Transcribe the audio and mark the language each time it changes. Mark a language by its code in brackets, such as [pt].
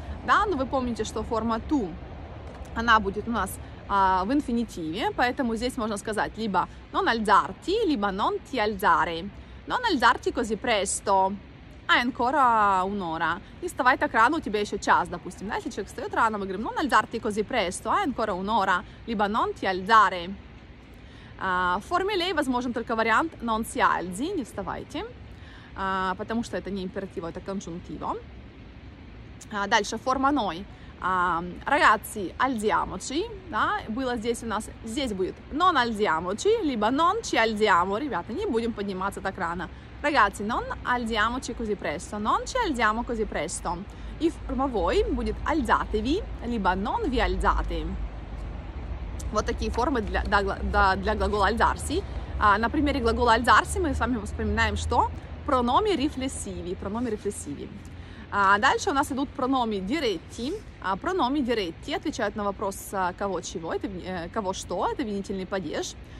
[ru] Да, но вы помните, что форма to, она будет у нас в инфинитиве, поэтому здесь можно сказать либо [it] non alzarti, [ru] либо [it] non ti alzare. Non alzarti così presto. Ай, ancora un'ora. [ru] Не вставай так рано, у тебя еще час, допустим. Да? Если человек встает рано, мы говорим, [it] non alzarti così presto, ай, ancora un'ora. [ru] Либо [it] non ti alzare. [ru] В форме lei возможен только вариант [it] non si alzi, [ru] не вставайте. Потому что это не императиво, это конжунктиво. Дальше, форма noi. [it] Ragazzi, alziamoci. [ru] Да? Было здесь у нас, здесь будет [it] non alziamoci, [ru] либо [it] non ci alziamo. [ru] Ребята, не будем подниматься так рано. [it] Ragazzi, non alziamoci così presto, non ci alziamo così presto. [ru] И форма voi будет alzatevi, либо [it] non vi alzate. [ru] Вот такие формы для глагола alzarsi. На примере глагола «альзарси» мы с вами вспоминаем что? Прономи рефлессиви, прономи рефлессиви. Дальше у нас идут прономи «диретти». Прономи «диретти» отвечают на вопрос «кого чего?», это, «кого что?», это винительный падеж.